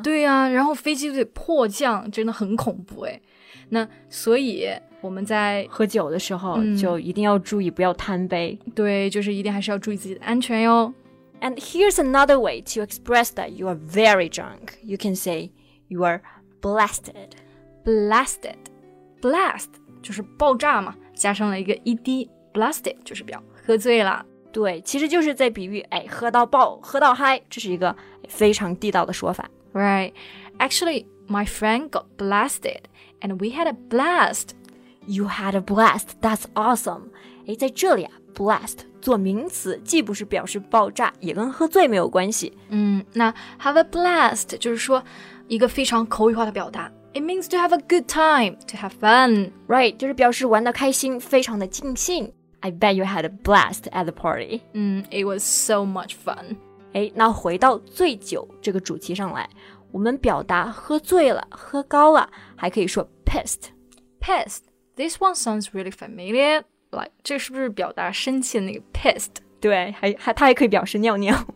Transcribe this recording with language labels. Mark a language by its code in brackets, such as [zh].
[zh] 对呀，然后飞机就得迫降，真的很恐怖哎。那所以我们在喝酒的时候就一定要注意不要贪杯。对，就是一定还是要注意自己的安全哟。 [en] And here's another way to express that you are very drunk. You can say you are blasted. [zh] Blasted, blast 就是爆炸嘛，加上了一个 ed, blasted 就是表喝醉了。对，其实就是在比喻，喝到爆，喝到嗨，这是一个非常地道的说法。 [en] Right, actually, my friend got blasted, and we had a blast. You had a blast, that's awesome. [zh] 在这里啊 ，blast 做名词，既不是表示爆炸，也跟喝醉没有关系。那 [en] have a blast [zh] 就是说一个非常口语化的表达。 [en] It means to have a good time, to have fun. [zh] Right, 就是表示玩得开心，非常的尽兴。 [en] I bet you had a blast at the party. It was so much fun. [zh] 那回到醉酒这个主题上来，我们表达喝醉了，喝高了，还可以说 pissed. [en] Pissed, this one sounds really familiar. Like, [zh] 这是不是表达生气的那个 [en] pissed? [zh] 对，它还可以表示尿尿。